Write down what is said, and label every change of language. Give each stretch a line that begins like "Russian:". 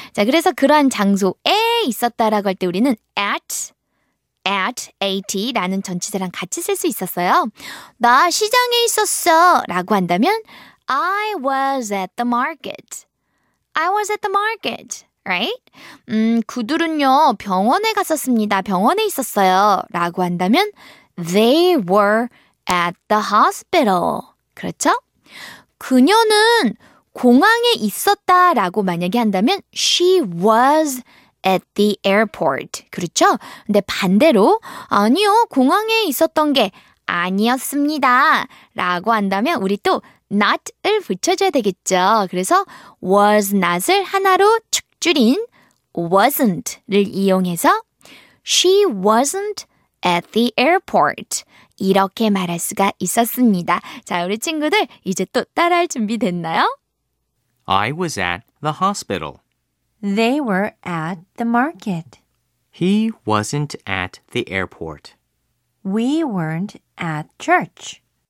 Korean: 자, 그래서 그러한 장소에 있었다라고 할 때 우리는 at, at라는 전치사랑 같이 쓸 수 있었어요. 나 시장에 있었어 라고 한다면
English: I was at the market. I was at the market. Right?
Korean: 그들은요 병원에 갔었습니다. 병원에 있었어요 라고 한다면
English: They were at the hospital.
Korean: 그렇죠? 그녀는 공항에 있었다 라고 만약에 한다면
English: She was at the airport.
Korean: 그렇죠? 근데 반대로 아니요, 공항에 있었던 게 아니었습니다 라고 한다면 우리 또 not을 붙여줘야 되겠죠. 그래서 was not을 하나로 축 줄인 wasn't를 이용해서
English: She wasn't at the airport.
Korean: 이렇게 말할 수가 있었습니다. 자, 우리 친구들 이제 또 따라할 준비 됐나요?
English: I was at the hospital. They were at the market. He wasn't at the airport. We weren't at church.